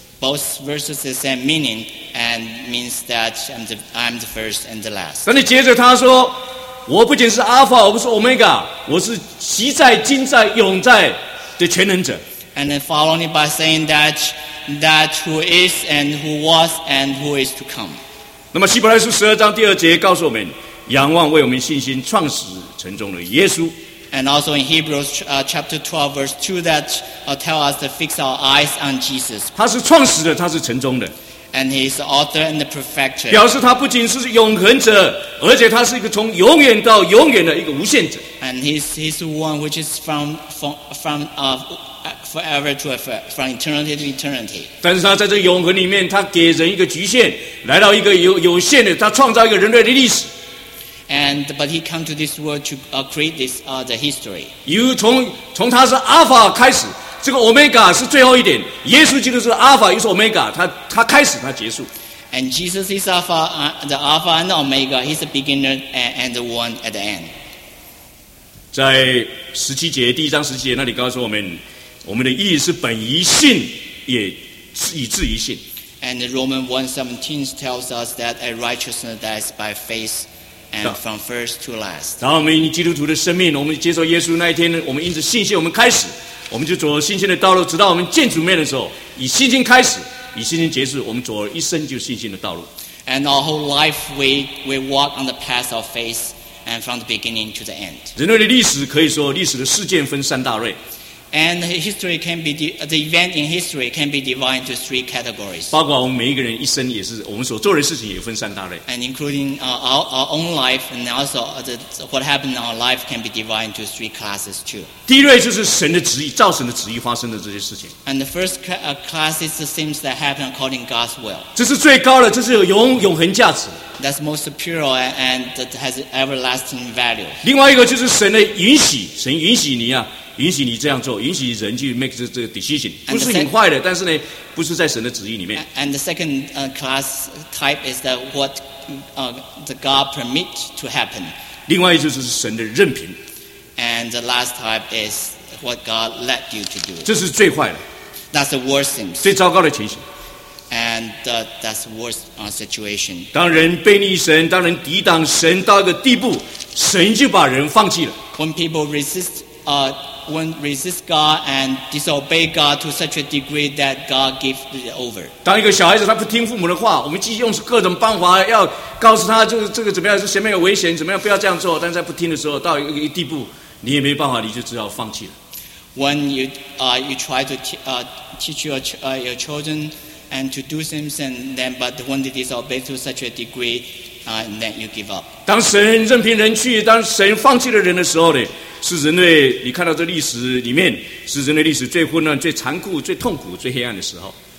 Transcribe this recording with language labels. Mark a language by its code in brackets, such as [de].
[en] Both verses the same meaning and means that I'm the first and the last. [zh] 但是接着他说，我不仅是 Alpha， 我不是 Omega， 我是昔在、今在、永在的全能者。 [en] And then following by saying that who is and who was and who is to come. [zh] 那么希伯来书十二章第二节告诉我们，仰望为我们信心创始成终的耶稣。 [en] And also in Hebrews chapter 12 verse 2 that tell us to fix our eyes on Jesus. [zh] 他是创始的，他是成终的。 [en] And he is the author and the perfecter. [zh] 表示他不仅是永恒者，而且他是一个从永远到永远的一个无限者。 [en] And he's the one which is from forever to ever, from eternity to eternity. [zh] 但是他在这永恒里面，他给人一个局限，来到一个有限的，他创造一个人类的历史。 [en] But he came to this world to create this the history. [zh] 由从他是 Alpha 开始，这个 Omega 是最后一点，耶稣基督是 Alpha 又是 Omega， 他开始他结束。 [en] And Jesus is Alpha, the Alpha and the Omega. He's the beginner and the one at the end. [zh] 在十七节第一章十七节那里告诉我们，我们的义是本于信，也以至于信。 [en] And Romans 1:17 tells us that a righteousness that is by faith and from first to last. [zh] 当我们基督徒的生命，我们接受耶稣那一天，我们因着信心，我们开始，我们就走信心的道路，直到我们见主面的时候，以信心开始。以信心结束，我们走了一生就信心的道路。 [en] And our whole life we walk on the path of faith, and from the beginning to the end. [zh] 人类的历史可以说，历史的事件分三大类。 [en] And history can be the event in history can be divided into three categories. [zh] 包括我们每一个人一生也是，我们所做的事情也分三大类。 [en] And including our own life, and also what happened in our life can be divided into three classes too. [zh] 第一类就是神的旨意，造神的旨意发生的这些事情。 [en] And the first class is the things that happen according to God's will. [zh] 这是最高的，这是永恒价值。 [en] That's most superior and that has everlasting value. [zh] 另外一个就是神的允许，神允许你啊。允许你这样做，允许人去 make 这个 decision， 不是很坏的，但是呢，不是在神的旨意里面。 [en] And the second class type is that what the God permit to happen。 [zh] 另外就是神的任凭。 [en] And the last type is what God led you to do。 [zh] 这是最坏的。 [en] That's the worst thing。 [zh] 最糟糕的情形。 [en] And that's the worst situation。 [zh] 当人背逆神，当人抵挡神到一个地步，神就把人放弃了。 [en] When people resist when resist God and disobey God to such a degree that God gives it over. [zh] 当一个小孩子他不听父母的话，我们继续用各种办法要告诉他，就是这个怎么样，是前面有危险，怎么样不要这样做。但是他不听的时候，到一个地步，你也没办法，你就只好放弃了。 [en] When you try to teach your children and to do things, and then but when they disobey to such a degree, and then you give up. [zh] 当神任凭人去，当神放弃了人的时候呢？是人类，你看到这历史里面，是人类历史最混乱、最残酷、最痛苦、最黑暗的时候。